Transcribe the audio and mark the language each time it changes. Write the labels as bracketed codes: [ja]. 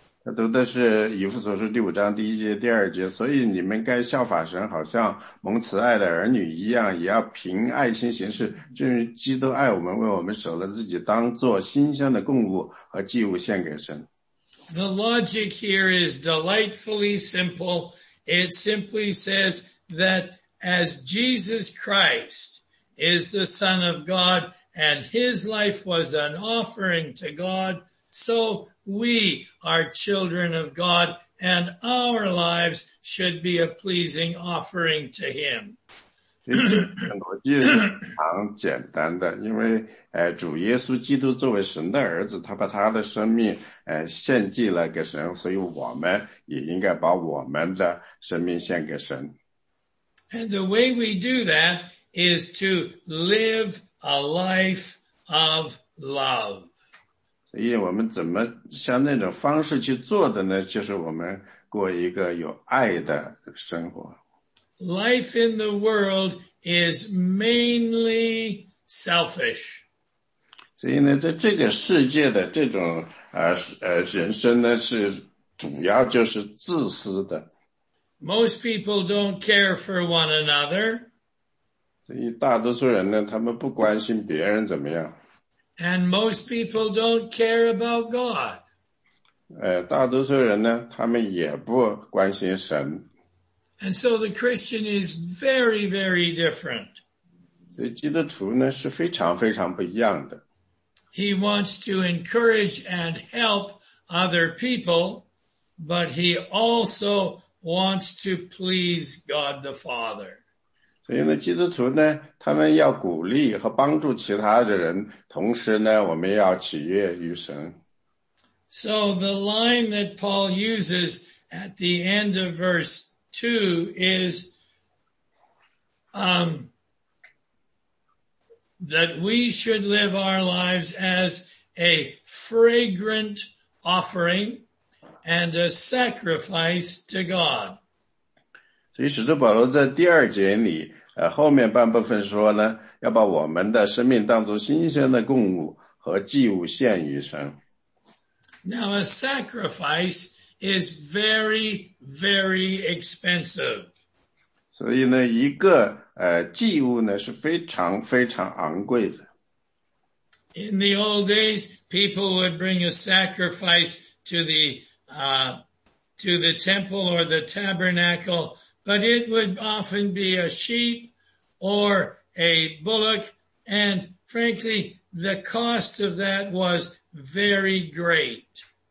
[zh] 他读的是以弗所书第五章第一节第二节，所以你们该效法神，好像蒙慈爱的儿女一样，也要凭爱心行事，正如基督爱我们，为我们舍了自己，当作馨香的供物和祭物献给神。 [en] The logic here is delightfully simple. It simply says that as Jesus Christ is the Son of God and his life was an offering to God, so we are children of God and our lives should be a pleasing offering to him. [zh] 逻辑是非常简单的，因为主耶稣基督作为神的儿子，他把他的生命献祭了给神，所以我们也应该把我们的生命献给神。 [en] And the way we do that is to live a life of love. [zh] 所以我们怎么像那种方式去做的呢？就是我们过一个有爱的生活。 [en] Life in the world is mainly selfish. [zh] 所以呢，在这个世界的这种人生呢，是主要就是自私的。 [en] Most people don't care for one another. [zh] 所以大多数人呢，他们不关心别人怎么样。 [en] And most people don't care about God. [zh] 大多数人呢，他们也不关心神。 [en] And so the Christian is very, very different. [zh] 所以基督徒呢，是非常非常不一样的。 [en] He wants to encourage and help other people, but he also wants to please God the Father. [zh] 所以呢，基督徒呢，他们要鼓励和帮助其他的人，同时呢，我们要喜悦于神。 [en] So the line that Paul uses at the end of verse 2 is, that we should live our lives as a fragrant offering and a sacrifice to God. [zh] 所以使徒保罗在第二节里后面半部分说呢，要把我们的生命当作新鲜的供物和祭物献于神。 [en] Now a sacrifice is very, very expensive. [zh] 所以呢，一个祭物呢是非常非常昂贵的。 [en] In the old days, people would bring a sacrifice to the temple or the tabernacle, but it would often be a sheep or a bullock, and frankly, the cost of that was very great.